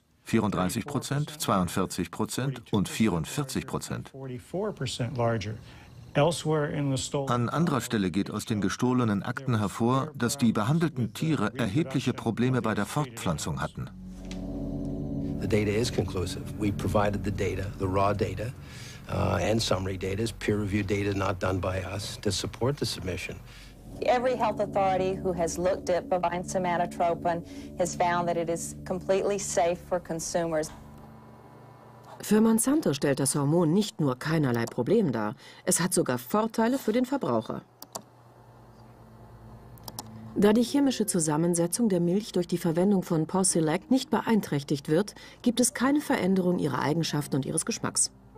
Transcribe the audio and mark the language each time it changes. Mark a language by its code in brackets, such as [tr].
[de] 34%, 42% und 44%. An anderer Stelle geht aus den gestohlenen Akten hervor, dass die behandelten Tiere erhebliche Probleme bei der Fortpflanzung hatten. [en] The data is conclusive. We provided the data, the raw data. And summary data is peer-reviewed data not done by us to support the submission. Every health authority who has looked at bovine somatotropin has found that it is completely safe for consumers. [de] Für Monsanto stellt das Hormon nicht nur keinerlei Problem dar, es hat sogar Vorteile für den Verbraucher. Da die chemische Zusammensetzung der Milch durch die Verwendung von Porcilac nicht beeinträchtigt wird, gibt es keine Veränderung ihrer Eigenschaften und ihres Geschmacks.